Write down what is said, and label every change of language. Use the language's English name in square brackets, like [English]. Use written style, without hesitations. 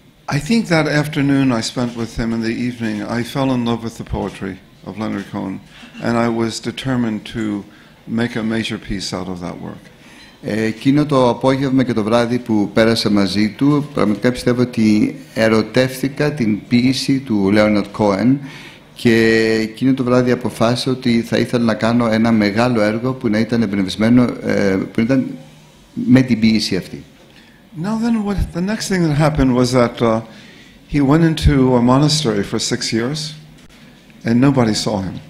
[English] I think that afternoon I spent with him in the evening, I fell in love with the poetry of Leonard Cohen and I was determined to make a major piece out of that work. [Greek] Εκείνο το απόγευμα και το βράδυ που πέρασα μαζί του, πραγματικά πιστεύω ότι ερωτεύθηκα την ποίηση του Leonard Cohen και εκείνο το βράδυ αποφάσισα ότι θα ήθελα να κάνω ένα μεγάλο έργο που να ήταν εμπνευσμένο, που ήταν με την ποίηση αυτή. [English] Now then, the next thing that happened was that he went into a monastery for 6 years and nobody saw him.